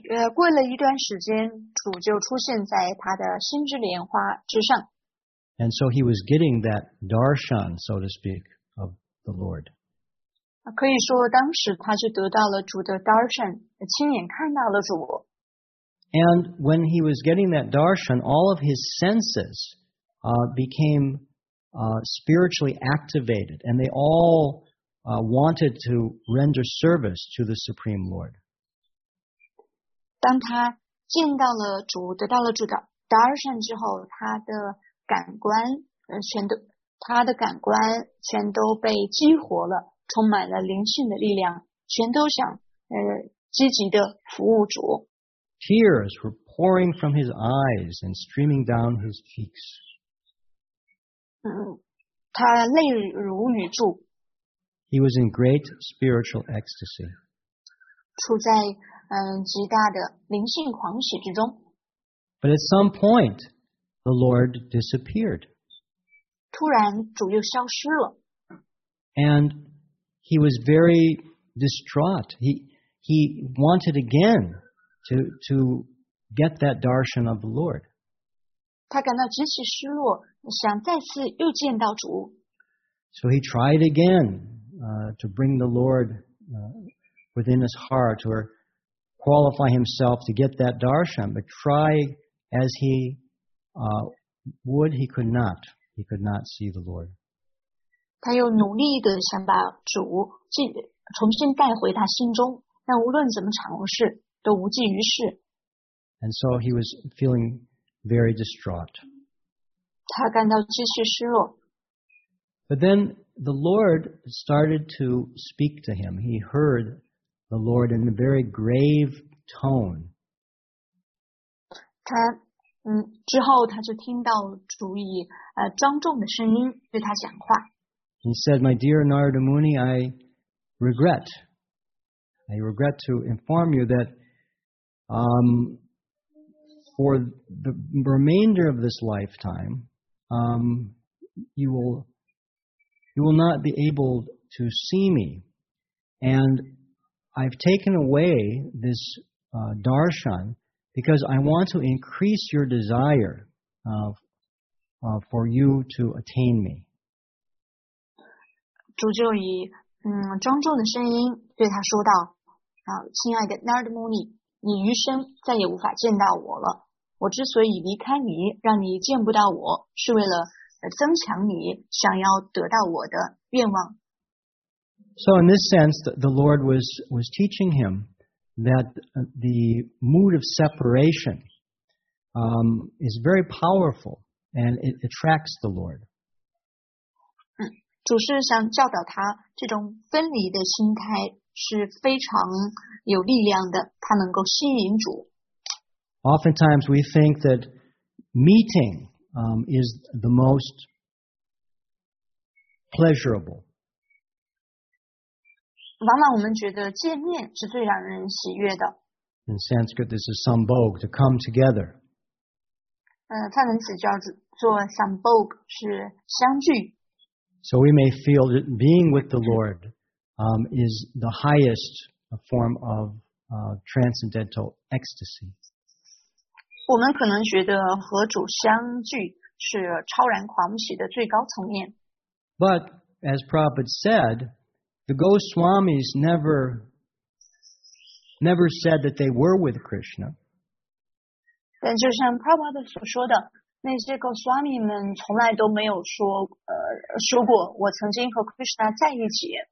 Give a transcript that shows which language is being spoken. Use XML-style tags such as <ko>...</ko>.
<zh>过了一段时间，主就出现在他的心之莲花之上。</zh> <en>And so he was getting that darshan, so to speak, of the Lord.</en> <zh>可以说当时他就得到了主的 darshan, 亲眼看到了主。</zh> <en>And when he was getting that darshan, all of his senses became spiritually activated, and they all wanted to render service to the Supreme Lord.</en> <zh>当他见到了主，得到了主的 darshan 之后，他的感官全都被激活了，充满了灵性的力量，全都想积极的服务主。</zh> <en>Tears were pouring from his eyes and streaming down his cheeks.</en> <zh>他泪如雨注。</zh> <en>He was in great spiritual ecstasy.</en> <zh>处在极大的灵性狂喜之中。</zh> <en>But at some point, the Lord disappeared.</en> <zh>突然主又消失了。</zh> <en>And he was very distraught. He wanted again to get that darshan of the Lord.</en> <zh>他感到极其失落，想再次又见到主。</zh> <en>So he tried again, to bring the Lord, within his heart, or qualify himself to get that darshan, but try as he, would, he could not. He could not see the Lord.</en> <zh>他又努力地想把主重新带回他心中，但无论怎么尝试，都无济于事。</zh> <en>And so he was feeling very distraught.</en> <zh>他感到极其失落。</zh> <en>But then the Lord started to speak to him. He heard the Lord in a very grave tone.</en> <zh>他之后他就听到主以庄重的声音对他讲话。</zh> <en>He said, "My dear Narada Muni, I regret to inform you that, for the remainder of this lifetime, you will not be able to see me, and I've taken away this darshan because I want to increase your desire for you to attain me."</en> <zh>主就以庄重的声音对他说道，亲爱的 Narada Muni, 你余生再也无法见到我了。我之所以离开你，让你见不到我，是为了增强你想要得到我的愿望。</zh> <en>So in this sense, the Lord was teaching him that the mood of separation, is very powerful and it attracts the Lord.</en> <zh>主是想教导他，这种分离的心态是非常有力量的，他能够吸引主。</zh> <en>Oftentimes we think that meeting, is the most pleasurable.</en> <zh>往往我们觉得见面是最让人喜悦的。</zh> <en>In Sanskrit, this is sambhog, to come together.</en> <zh>梵文词叫做 sambhog, 是相聚。</zh> <en>So we may feel that being with the Lord, is the highest form of, transcendental ecstasy.</en> <zh>我们可能觉得和主相聚是超然狂喜的最高层面。</zh> <en>But, as Prabhupada said, the Goswamis never said that they were with Krishna.</en> <zh>但就像 Prabhupada 所说的，那些 Goswami 们从来都没有说说过我曾经和 Krishna 在一起。</zh>